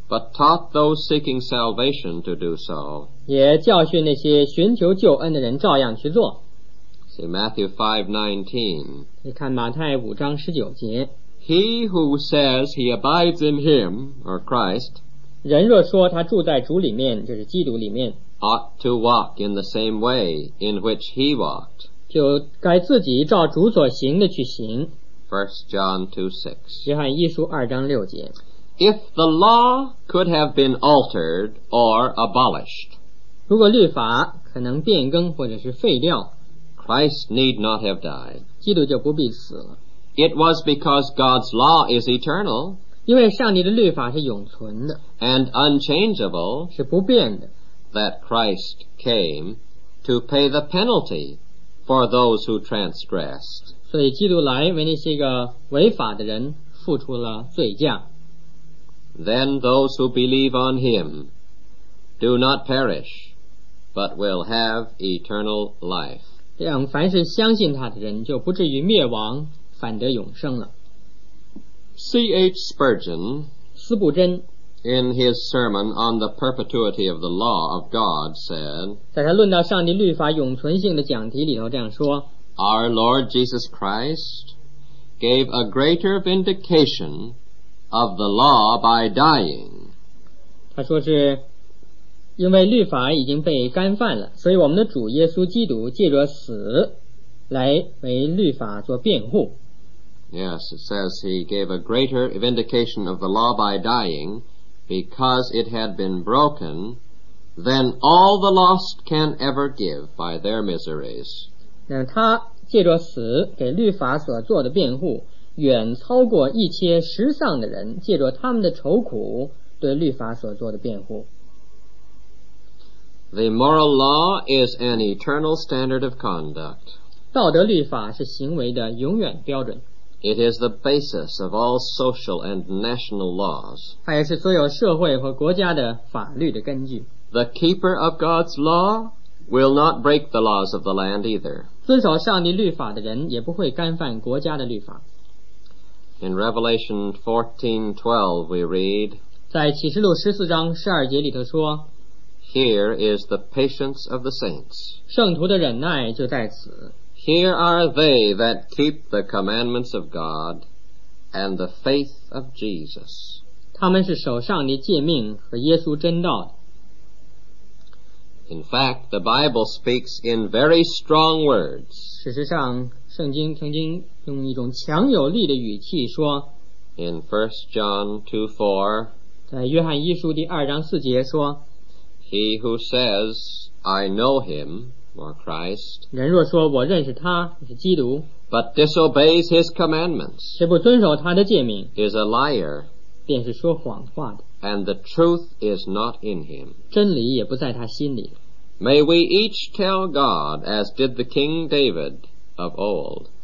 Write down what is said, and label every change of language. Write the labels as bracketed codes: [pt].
[en] but taught those seeking salvation to do so, [zh] 也教训那些寻求救恩的人照样去做。 [en] See Matthew 5:19. [zh] 你看马太五章十九节。 [en] He who says he abides in him, or Christ, [zh] 人若说他住在主里面，就是基督里面， [en] ought to walk in the same way in which he walked. [zh] 就该自己照主所行的去行。 [en] 1 John 2:6. [zh] 约翰一书二章六节。 [en] If the law could have been altered or abolished, [zh] 如果律法可能变更或者是废掉， [en] Christ need not have died. [zh] 基督就不必死了。 [en] It was because God's law is eternal, [zh] 因为上帝的律法是永存的， [en] and unchangeable, [zh] 是不变的， [en] that Christ came to pay the penalty for those who transgressed. [zh] 所以基督来为那些个违法的人付出了罪价。 [en] Then those who believe on him do not perish, but will have eternal life. [zh] 这样凡是相信他的人就不至于灭亡，反得永生了。 [en] C.H. Spurgeon, [zh] 斯布珍, [en] in his sermon on the perpetuity of the law of God, said, [zh] 在他论到上帝律法永存性的讲题里头这样说, [en] Our Lord Jesus Christ gave a greater vindication of the law by dying. [zh] 他说是因为律法已经被干犯了，所以我们的主耶稣基督借着死来为律法做辩护。 [en] Yes, it says he gave a greater vindication of the law by dying because it had been broken than all the lost can ever give by their miseries. [zh] 那他借着死给律法所做的辩护远超过一切失丧的人借着他们的愁苦对律法所做的辩护。 [en] The moral law is an eternal standard of conduct. [zh] 道德律法是行为的永远标准。 [en] It is the basis of all social and national laws. [zh] 它也是所有社会和国家的法律的根据。 [en] The keeper of God's law will not break the laws of the land either. [zh] 遵守上帝律法的人也不会干犯国家的律法。 [en] In Revelation 14:12 we read, [zh] 在启示录十四章十二节里头说， [en] Here is the patience of the saints. [zh] 圣徒的忍耐就在此。 [en] Here are they that keep the commandments of God and the faith of Jesus. [zh] 他们是守上帝诫命和耶稣真道的。 [en] In fact, the Bible speaks in very strong words. [zh] 事实上，圣经曾经用一种强有力的语气说， [en] In 1 John 2:4, [zh] 在约翰一书第二章四节说， [en] He who says, I know him, or Christ, [zh] 人若说我认识他，是基督， [en] but disobeys his commandments, [zh] 却不遵守他的诫命， [en] is a liar, [zh] 便是说谎话的， [en] and the truth is not in him, [zh] 真理也不在他心里。 [en] May we each tell God, as did the King David of old,